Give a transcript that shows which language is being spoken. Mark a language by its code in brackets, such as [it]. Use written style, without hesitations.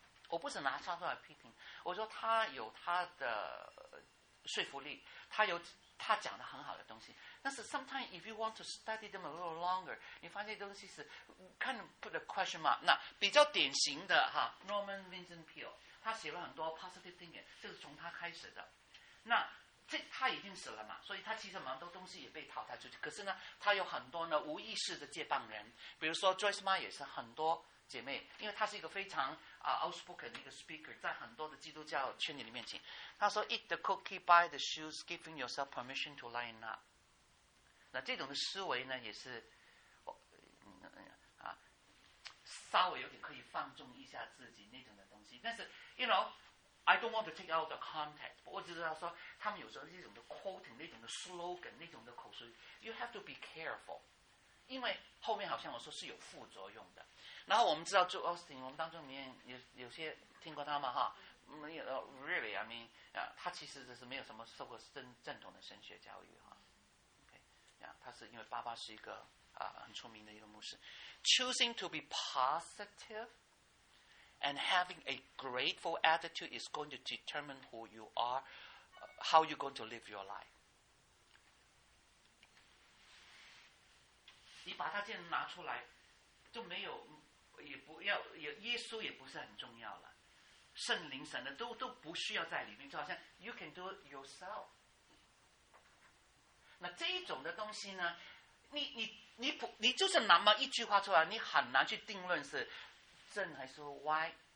[zh] 我不是拿他出来批评，我说他有他的说服力，他有他讲的很好的东西。但是 [en] sometimes if you want to study them a little longer， [zh] 你发现东西是 [en] kind of put a question mark。 [zh] 那比较典型的哈 Norman Vincent Peale， 他写了很多 positive thinking， 这是从他开始的。那这他已经死了嘛，所以他其实蛮多东西也被淘汰出去。可是呢，他有很多呢无意识的接棒人，比如说 Joyce Meyer 也是很多。姐妹，因为她是一个非常outspoken 的一个 speaker， 在很多的基督教圈里面请，她说 [en] eat the cookie by the shoes， giving yourself permission to line up。 [zh] 那这种的思维呢，也是稍微有点可以放纵一下自己那种的东西。但是 [en] you know I don't want to take out the context， [zh] 我只知道说他们有时候那种的 quoting， 那种的 slogan， 那种的口水， [en] you have to be careful， [zh] 因为后面好像我说是有副作用的。然后我们知道 Joe Austin， 我们当中里面 有些听过他嘛哈，没有 [en] really， I mean， [zh] 他其实是没有什么受过正统的神学教育哈。 Okay， 他是因为爸爸是一个很出名的一个牧师。 [en] Choosing to be positive and having a grateful attitude is going to determine who you are， how you're going to live your life。 [zh] 你把他这样拿出来，就没有。也不要也耶稣也不是很重要了，圣灵神的都不需要在里面，就好像 [en] you can do it yourself。 [zh] 那这一种的东西呢，你就是拿么一句话出来，你很难去定论是正还是歪。